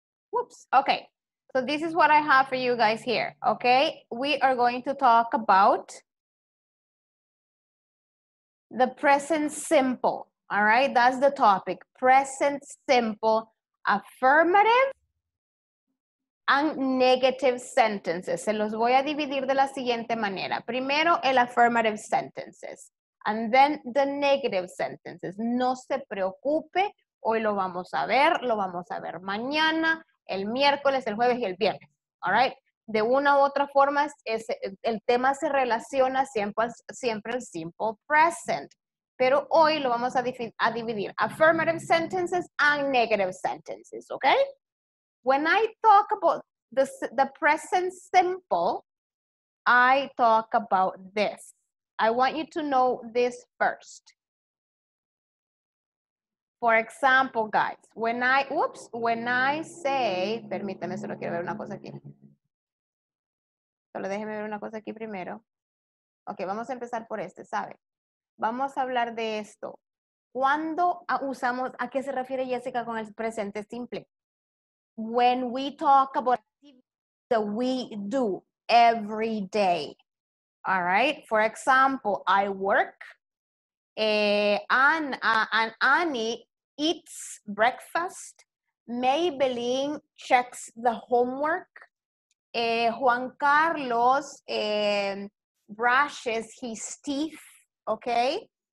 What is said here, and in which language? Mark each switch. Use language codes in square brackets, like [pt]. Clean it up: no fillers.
[en] Whoops, okay. So this is what I have for you guys here, okay? We are going to talk about the present simple, all right? That's the topic, present simple, affirmative and negative sentences. [es] Se los voy a dividir de la siguiente manera. Primero, el [en] affirmative sentences. And then, the negative sentences. [es] No se preocupe. Hoy lo vamos a ver. Lo vamos a ver mañana, el miércoles, el jueves y el viernes. All right? De una u otra forma, el tema se relaciona siempre al simple present. Pero hoy lo vamos a dividir. [en] Affirmative sentences and negative sentences. [es] Okay? [en] When I talk about the present simple, I talk about this. I want you to know this first. For example, guys, when I say, [es] permítame, solo quiero ver una cosa aquí. Solo déjeme ver una cosa aquí primero. Okay, vamos a empezar por este, ¿sabe? Vamos a hablar de esto. ¿Cuándo usamos, a qué se refiere Jessica con el presente simple? [en] When we talk about activities that we do every day, all right? For example, I work, and Annie eats breakfast, Maybelline checks the homework, Juan Carlos brushes his teeth, okay?